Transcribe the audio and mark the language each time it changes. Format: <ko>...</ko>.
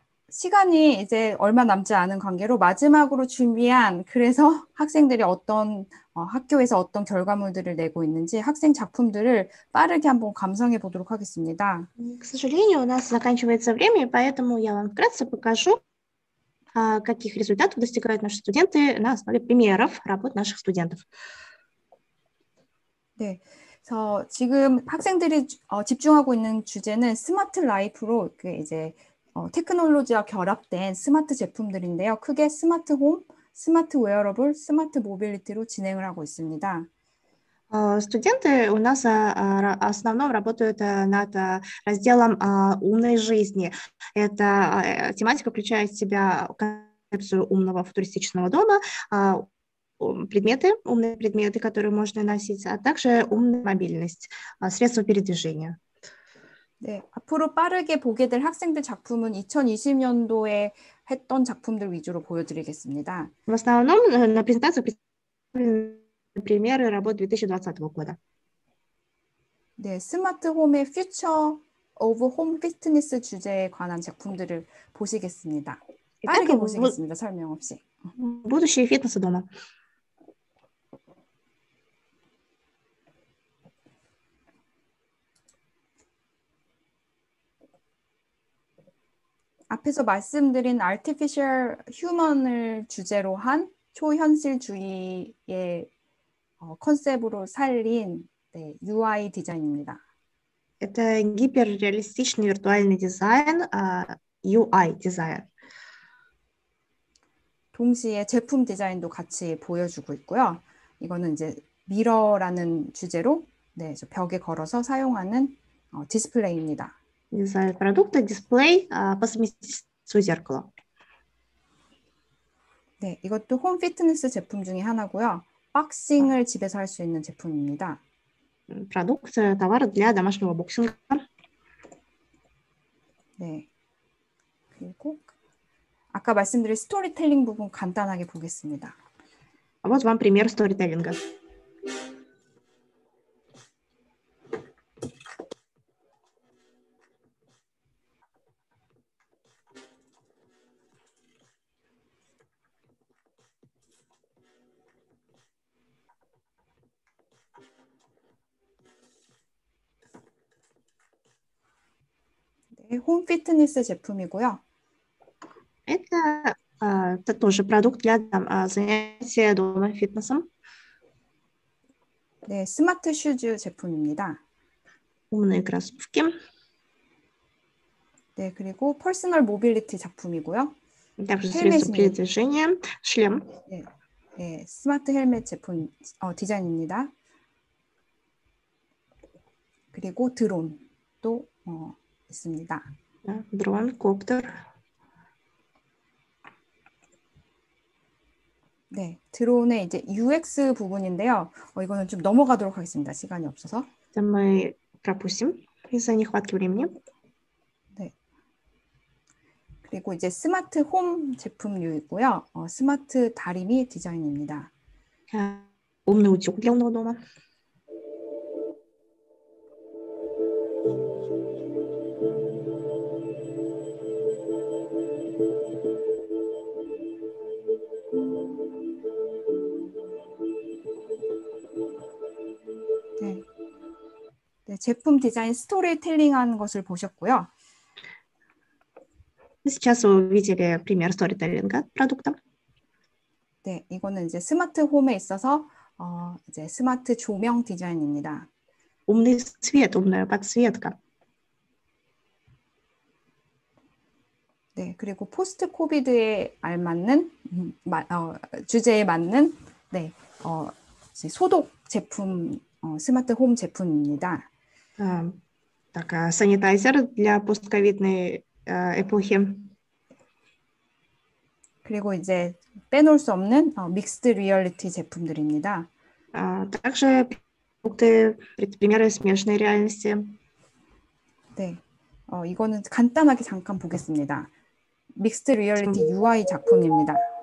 <ko>시간이 이제 얼마 남지 않은 관계로 마지막으로 준비한, 그래서 학생들이 어떤 학교에서 어떤 결과물들을 내고 있는지 학생 작품들을 빠르게 한번 감상해 보도록 하겠습니다.</ko> <ru>К сожалению, у нас заканчивается время, поэтому я вам вкратце покажу, каких результатов достигают наши студенты на основе примеров работ наших студентов.</ru> <ko>네. 그래서 지금 학생들이 집중하고 있는 주제는 스마트 라이프로 이제 테크놀로지와 결합된 스마트 제품들인데요. 크게 스마트 홈, 스마트 웨어러블, 스마트 모빌리티로 진행을 하고 있습니다.</ko> <ru>Студенты у нас в основном работают над разделом умной жизни. Эта тематика включает в себя концепцию умного футуристичного дома, предметы, умные предметы, которые можно носить, а также умная мобильность, средства передвижения.</ru> <ko>네, 앞으로 빠르게 보게 될 학생들 작품은 2020년도에 했던 작품들 위주로 보여드리겠습니다.</ko> <ru>В основном на презентации примеры работ 2020 года.</ru> <ko>네, 스마트 홈의</ko> <en>Future of Home Fitness</en> <ko>주제에 관한 작품들을 보시겠습니다.</ko> <ru>Итак,</ru> <ko>빠르게 보시겠습니다. 설명 없이.</ko> <ru>будущее фитнеса дома.</ru> <ko>앞에서 말씀드린 아티피셜 휴먼을 주제로 한 초현실주의의 컨셉으로 살린 UI 디자인입니다.</ko> <ru>Это гиперреалистичный виртуальный дизайн, UI дизайн.</ru> <ko>동시에 제품 디자인도 같이 보여주고 있고요. 이거는 이제 미러라는 주제로 저 벽에 걸어서 사용하는 디스플레이입니다.</ko> <ru>Дизайн продукта, дисплей, по совместительству зеркало.</ru> <ko>네, 이것도 홈 피트니스 제품 중에 하나고요. 박싱을 집에서 할수 있는 제품입니다.</ko> <ru>продукт, товар для домашнего боксинга.</ru> <ko>네. 그리고 아까 말씀드린 스토리텔링 부분 간단하게 보겠습니다.</ko> <ru>Вот вам пример сторителлинга.</ru> <ko>홈 피트니스 제품이고요.</ko> <ru>Это тоже продукт для занятия дома фитнесом.</ru> <ko>네, 스마트 슈즈 제품입니다.</ko> <ru>умные кроссовки.</ru> <ko>네, 그리고 퍼스널 모빌리티 작품이고요.</ko> <ru>также средства передвижения, шлем.</ru> <ko>네, 스마트 헬멧 제품 디자인입니다. 그리고 드론도 있습니다. 드론, 콥터. 네, 드론의 이제 UX 부분인데요. 이거는 좀 넘어가도록 하겠습니다. 시간이 없어서.</ko> <ru>Это мы пропустим из-за нехватки времени.</ru> <ko>그리고 이제 스마트 홈 제품류이고요. 스마트 다리미 디자인입니다.</ko> <ru>умный утюг для умного дома.</ru> <ko>제품 디자인 스토리텔링 하는 것을 보셨고요.</ko> <ru>Сейчас вы увидели пример сторителлинга продукта.</ru> <ko>네, 이거는 이제 스마트 홈에 있어서 이제 스마트 조명 디자인입니다.</ko> <ru>умный свет, умная подсветка.</ru> <ko>네, 그리고 포스트 코비드에 알맞는 주제에 맞는 소독 제품 스마트 홈 제품입니다.</ko> <ru>Такая санитайзер для постковидной эпохи.</ru> <ko>그리고 이제 빼놓을 수 없는 믹스드 리얼리티 제품들입니다.</ko> <ru>также продукты, примеры смешанной реальности.</ru> <ko>네, 이거는 간단하게 잠깐 보겠습니다. 믹스드 리얼리티 UI 작품입니다.</ko>